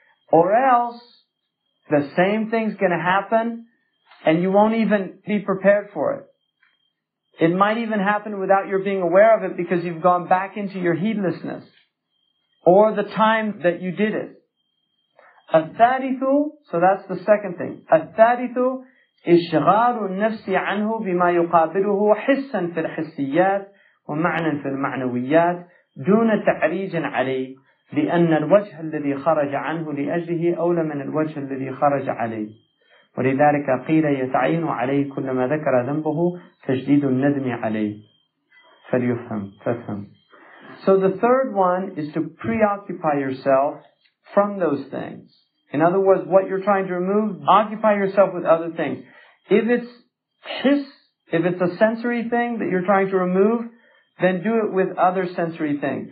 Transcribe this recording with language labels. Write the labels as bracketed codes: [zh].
[en] Or else, the same thing's gonna happen, and you won't even be prepared for it. It might even happen without your being aware of it, because you've gone back into your heedlessness, or the time that you did it. الثالث, so that's the second thing. [ar] الثالث, إشغال النفس عنه بما يقابله حسا في الحسيات ومعنى في المعنويات دون تعريج عليه لأن الوجه الذي خرج عنه لأجله أولى من الوجه الذي خرج عليه ولذلك قيل يتعين عليه كلما ذكر ذنبه تشديد الندم عليه فليفهم فافهم. [en] So the third one is to preoccupy yourself from those things. In other words, what you're trying to remove, occupy yourself with other things. If it's his, if it's a sensory thing that you're trying to remove, then do it with other sensory things.